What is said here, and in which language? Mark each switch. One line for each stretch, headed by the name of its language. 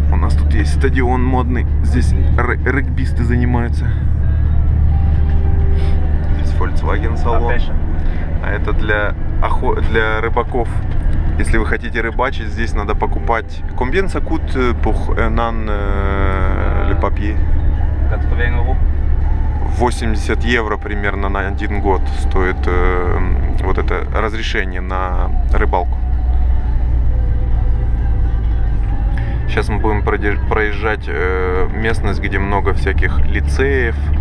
Russian: У нас тут есть стадион модный. Здесь регбисты занимаются. Здесь Volkswagen салон. А это для рыбаков. Если вы хотите рыбачить, здесь надо покупать.
French: Combien ça coûte pour un an le papier?
Russian: 80 евро. 80 евро примерно на один год стоит вот это разрешение на рыбалку. Сейчас мы будем проезжать местность, где много всяких лицеев.